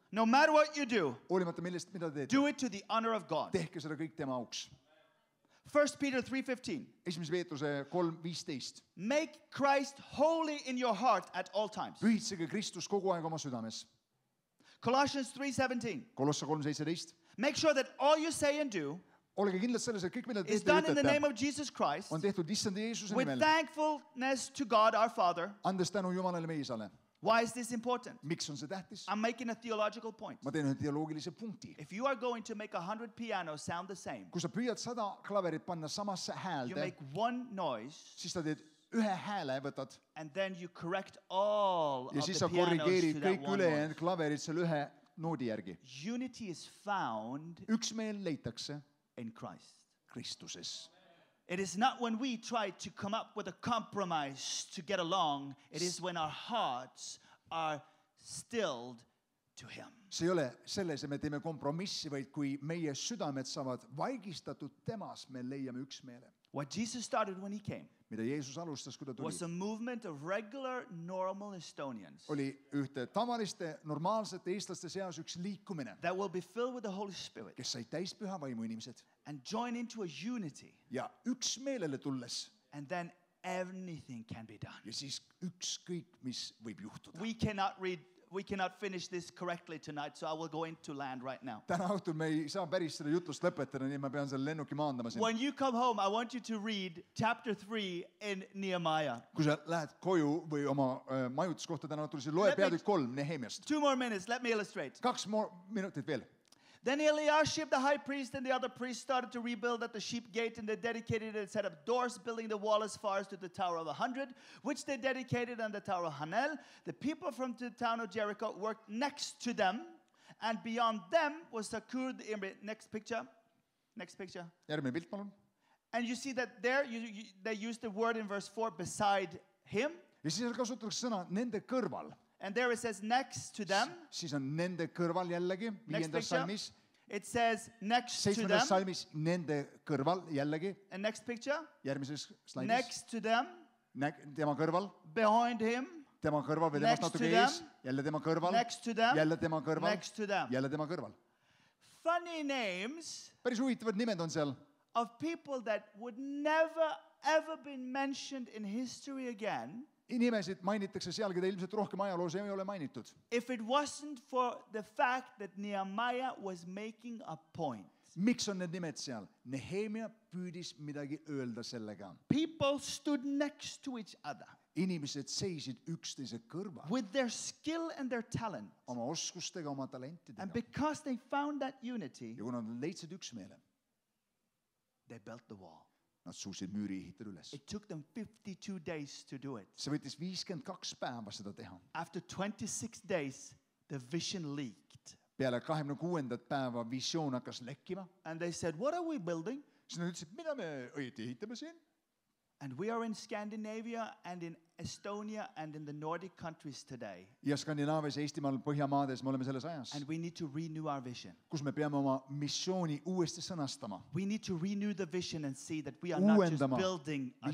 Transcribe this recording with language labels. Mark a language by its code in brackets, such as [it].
[en] no matter what you do, [et] olimata millest mida teete, [en] do it to the honor of God. [et] Tehke seda kõik tema auks. [en] 1 Peter 3:15. [et] Esimese Peetruse 3:15. [en] Make Christ holy in your heart at all times. [et] Pühitsege Kristus kogu aeg oma südames. [en] Colossians 3:17. [et] Kolossa 3:17. [en] Make sure that all you say and do, [et] olge kindlad selles, et kõik, mida teete, [en] is done in the name of Jesus Christ, [et] on tehtud Issande Jeesuse nimel, [en] with thankfulness to God our Father. [et] Andes tänu Jumalale meie isale. [en] Why is this important? [et] Miks on see tähtis? [en] I'm making a theological point. [et] Ma teen ühe teoloogilise punkti. [en] If you are going to make 100 pianos sound the same, [et] kui sa püüad 100 klaverit panna samasse häälde, [en] you make one noise, [et] siis sa teed ühe hääle võtad, [en] and then you correct all [et] ja [en] of [et] siis [en] the [et] sa korrigeerid [en] pianos to [et] kõik [en] that one [et] end klaverit selle ühe noodi järgi. [en] Unity is found, [et] üksmeel leitakse, [en] in Christ. [et] Kristuses. [en] It is not when we try to come up with a compromise to get along, it is when our hearts are stilled to him. [et] See ei ole selles, et me teeme kompromissi, vaid kui meie südamed saavad vaigistatud temas, me leiame üksmeele. [en] What Jesus started when he came, [et] mida Jeesus alustas, kui ta tuli, [en] was a movement of regular, normal Estonians. [et] Oli ühte tavaliste, normaalsete eestlaste seas üks liikumine, [en] that will be filled with the Holy Spirit, [et] kes sai täis püha vaimu inimesed, [en] and join into a unity, [et] ja üks meelele tulles, [en] and then anything can be done. [et] Ja siis üks kõik, mis võib juhtuda. [en] We cannot finish this correctly tonight, so I will go into land right now. [et] Täna õhtul me ei saa päris seda jutust lõpetada, nii ma pean selle lennuki maandama siin. [en] When you come home, I want you to read chapter 3 in Nehemiah. [et] Kui sa lähed koju või oma majutuskohta täna õhtul, siis loe peatükk 3 Nehemiast. [en] 2 more minutes, let me illustrate. [et] 2 [en] more [et] minutit veel. [en] Then Eliashib, the high priest, and the other priests started to rebuild at the sheep gate, and they dedicated it and set up doors, building the wall as far as to the Tower of 100, which they dedicated on the Tower of Hanel. The people from the town of Jericho worked next to them, and beyond them was Sakur the Imrit. Next picture. [et] Järgmine pilt, palun. [en] And you see that there, they used the word in verse 4, beside him. [et] Ja siis kasutatakse sõna nende kõrval. [en] And there it says next to them. [et] Siis on nende kõrval jällegi, viiendas salmis. [en] It says next to them. [et] Seitsmendas salmis nende kõrval jällegi. [en] And next picture. [et] Järgmises slaidis. [en] Next to them. [et] Tema kõrval. [en] Behind him. [et] Tema kõrval või temast natuke ees. Jälle tema kõrval. [en] Next to them. [et] Jälle tema kõrval. [en] Next to them. [et] Jälle tema kõrval. [en] Funny names. [et] Päris huvitavad nimed on seal. [en] Of people that would never ever been mentioned in history again. [et] Inimesed mainitakse seal, keda ilmselt rohkem ajaloos ei ole mainitud. [en] If it wasn't for the fact that Nehemiah was making a point. [et] Miks on need nimed seal? Nehemia püüdis midagi öelda sellega. [en] People stood next to each other. [et] Inimesed seisid üksteise kõrval. [en] With their skill and their talent. [et] Oma oskustega, oma talentidega. [en] And because they found that unity. [et] Ja kuna nad leidsid üksmeele. [en] They built the wall. [et] Nad suusid müüri ehitada üles. [en] It took them 52 days to do it. [et] See võttis 52 päeva seda teha. [en] After 26 days, the vision leaked. [et] Peale 26. Päeva visioon hakkas lekkima. [en] And they said, what are we building? [et] Siis nad ütlesid, mida me õieti ehitame siin? [en] And we are in Scandinavia and in Estonia and in the Nordic countries today. [et] Ja Skandinaavias, Eestimaal, Põhjamaades, me oleme selles ajas. [en] And we need to renew our vision. [et] Kus me peame oma missiooni uuesti sõnastama. [en] We need to renew the vision and see that we are not just building a